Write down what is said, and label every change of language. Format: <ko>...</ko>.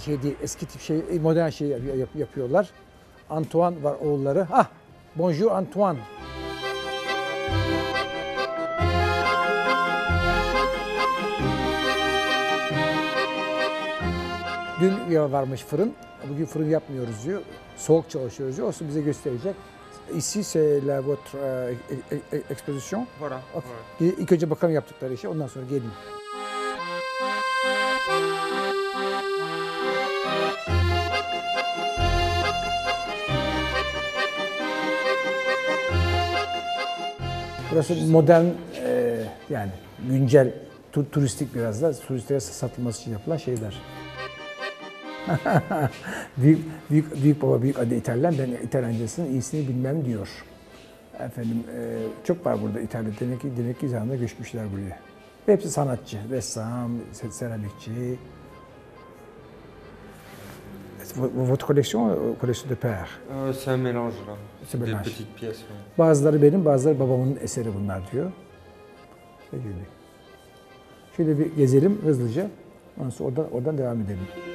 <tr>Şey değil, eski tip şey, modern şey yapıyorlar. Antoine var oğulları.</tr> <fr>Ah, bonjour Antoine.</fr> <tr>Dün varmış fırın. Bugün fırın yapmıyoruz diyor. Soğuk çalışıyoruz diyor. Olsun bize gösterecek.</tr> <fr>Ici c'est la votre exposition. Voilà.</fr> <tr>İlk önce bakalım yaptıkları işi. Ondan sonra gelin. Burası modern, yani güncel, turistik biraz da, turistlere satılması için yapılan şeyler. büyük baba, büyük adı İtalyan, ben İtalyancasının iyisini bilmem diyor. Efendim, çok var burada İtalya, demek ki zamanında göçmüşler buraya. Hepsi sanatçı, ressam, seramikçi.</tr> <fr>Votre collection, collection de père. C'est un mélange là. C'est des petites pièces.</fr> <tr>Bazıları benim, bazıları babamın eseri bunlar diyor. Şöyle bir gezelim hızlıca. Ondan sonra oradan devam edelim.</tr>